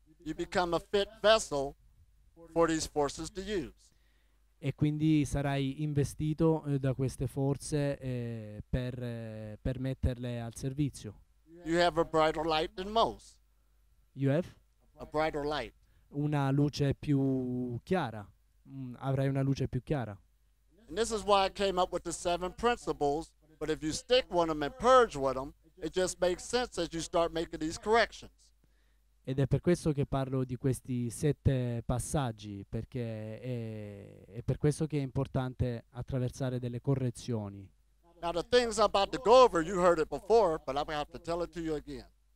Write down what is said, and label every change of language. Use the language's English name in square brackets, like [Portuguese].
[English] You become a fit vessel for these forces to use. [Italian] E quindi sarai investito da queste forze per metterle al servizio. [English] You have a brighter light than most. You have? A brighter light. [Italian] Una luce più chiara. Avrai una luce più chiara. [English] And this is why I came up with the 7 principles, but if you stick with them and purge with them, it just makes sense as you start making these corrections. [Italian] Ed è per questo che parlo di questi 7 passaggi, perché è per questo che è importante attraversare delle correzioni. [English] Now the things I'm about to go over, you heard it before, but I'm going to have to tell it to you again.